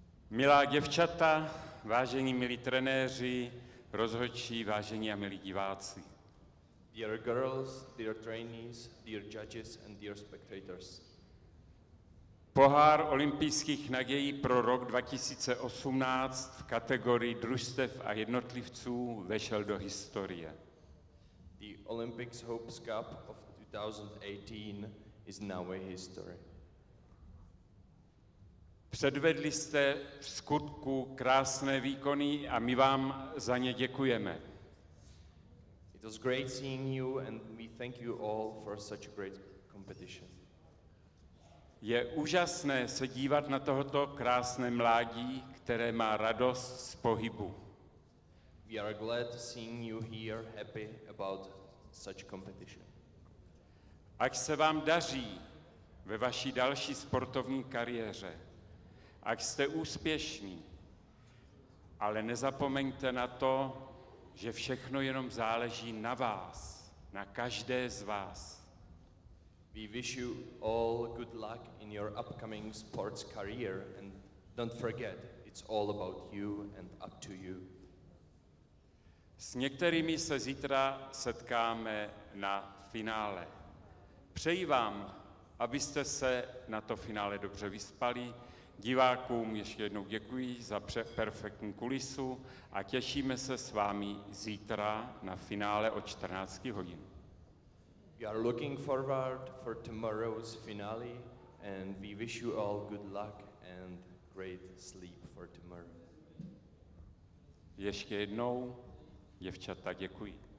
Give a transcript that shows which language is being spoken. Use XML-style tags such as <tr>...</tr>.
<cs>Milá děvčata, vážení milí trenéři, rozhodčí, vážení a milí diváci.</cs> <en>Dear girls, dear trainees, dear judges and dear spectators.</en> <cs>Pohár olympijských nadějí pro rok 2018 v kategorii družstev a jednotlivců vešel do historie.</cs> <en>The Olympics Hopes Cup of 2018 is now a history.</en> <cs>Předvedli jste v skutku krásné výkony a my vám za ně děkujeme.</cs> <en>It was great seeing you and we thank you all for such a great competition.</en> <cs>Je úžasné se dívat na tohoto krásné mládí, které má radost z pohybu.</cs> <en>We are glad seeing you here happy about such competition.</en> <cs>Ať se vám daří ve vaší další sportovní kariéře. Ať jste úspěšní. Ale nezapomeňte na to, že všechno jenom záleží na vás, na každé z vás.</cs> <en>We wish you all good luck in your upcoming sports career and don't forget, it's all about you and up to you.</en> <cs>S některými se zítra setkáme na finále. Přeji vám, abyste se na to finále dobře vyspali. Divákům ještě jednou děkuji za perfektní kulisu a těšíme se s vámi zítra na finále od 14 hodin.</cs> <en>We are looking forward for tomorrow's finale and we wish you all good luck and great sleep for tomorrow.</en> <cs>Ještě jednou, děvčata, děkuji.</cs>